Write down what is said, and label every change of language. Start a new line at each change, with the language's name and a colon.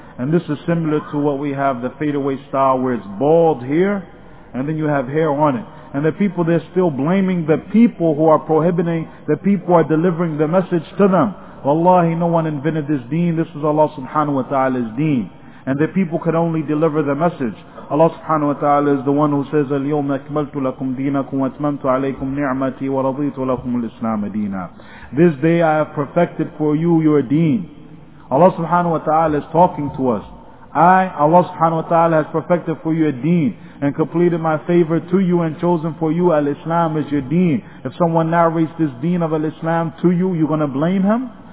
English: And this is similar to what we have, the fadeaway style, where it's bald here and then you have hair on it. And the people, they're still blaming the people who are prohibiting, the people who are delivering the message to them. Wallahi, no one invented this deen. This is Allah subhanahu wa ta'ala's deen. And the people can only deliver the message. Allah subhanahu wa ta'ala is the one who says,
Arabic: الْيَوْمَ أَكْمَلْتُ لَكُمْ دِينَكُمْ وَأَتْمَمْتُ عَلَيْكُمْ نِعْمَتِي وَرَضِيتُ لَكُمُ الْإِسْلَامَ دِينًا.
English: This day I have perfected for you your deen. Allah subhanahu wa ta'ala is talking to us. Allah subhanahu wa ta'ala has perfected for you a deen and completed my favor to you and chosen for you al-Islam as your deen. If someone narrates this deen of al-Islam to you, you're going to blame him?